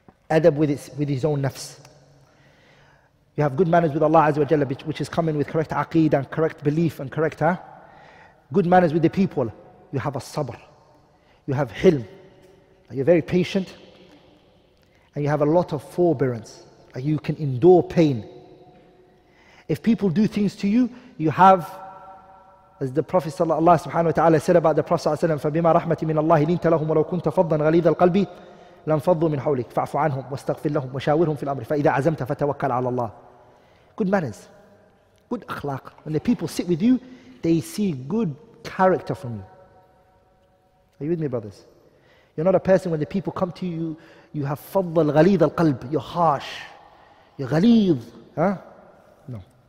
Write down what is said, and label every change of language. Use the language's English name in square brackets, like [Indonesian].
[English] Adab with his own nafs. You have good manners with Allah Azza wa Jalla, which is coming with correct aqeedah and correct belief and correct, huh? Good manners with the people. You have a sabr. You have hilm. You're very patient and you have a lot of forbearance. You can endure pain. If people do things to you, you have, as the Prophet sallallahu subhanahu wa ta'ala said about the Prophet sallallahu alaihi wasallam, [Arabic] فَبِمَا رَحْمَةٍ مِنَ اللَّهِ لِنْتَ لَهُمْ وَلَوْ كُنْتَ فَضًّا غَلِيظَ الْقَلْبِ لَنْ فَضُّوا مِنْ حَوْلِكَ فَعْفُ عَنْهُمْ وَاسْتَغْفِرْ لَهُمْ وَشَاوِرْهُمْ فِي الْأَمْرِ فَإِذَا عَزَمْتَ فَتَوَكَّلْ عَلَى اللَّهِ. [English] Good manners, good akhlaq. When the people sit with you, they see good character from you. Are you with me, brothers? You're not a person, when the people come to you, you have [Arabic] faddal ghaleez al-qalb, [English] you're harsh, you're ghaleez, huh? No.